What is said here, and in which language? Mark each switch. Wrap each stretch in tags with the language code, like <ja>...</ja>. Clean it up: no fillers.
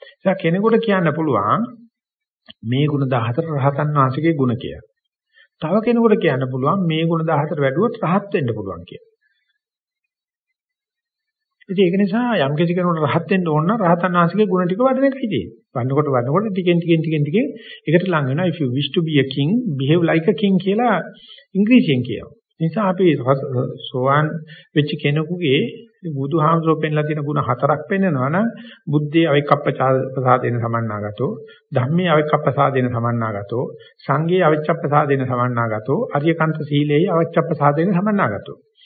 <si>ඒක කෙනෙකුට කියන්න පුළුවන් මේ ගුණ 14 රහතන් වහන්සේගේ ගුණ කියලා. තව කෙනෙකුට කියන්න පුළුවන් මේ ගුණ 14 වැඩුවොත් රහත් වෙන්න පුළුවන් කියලා. ඉතින් ඒක නිසා යම් කිසි කෙනෙකුට රහත් වෙන්න ඕන නම් රහතන් වහන්සේගේ ගුණ ටික වඩන එකයි තියෙන්නේ. වඩනකොට වඩනකොට ටිකෙන් එකට ලඟ වෙනවා.</si> <en>If you wish to be a king, behave like a king</en> <si>කියලා ඉංග්‍රීසියෙන් කියනවා. ඒ නිසා අපි සෝවාන් වෙච්ච කෙනෙකුගේ බුදුහාමුදුරුවෝ පෙන්ලා දෙන ගුණ හතරක් පෙන්නනවා නම්</si> <pi>බුද්ධි අවික්කප්පසාදේන සමන්නාගතෝ, ධම්මේ අවික්කප්පසාදේන සමන්නාගතෝ,</pi> <si>සංඝේ අවික්කප්පසාදේන සමන්නාගතෝ, අරියකන්ත සීලේ අවික්කප්පසාදේන සමන්නාගතෝ.</si>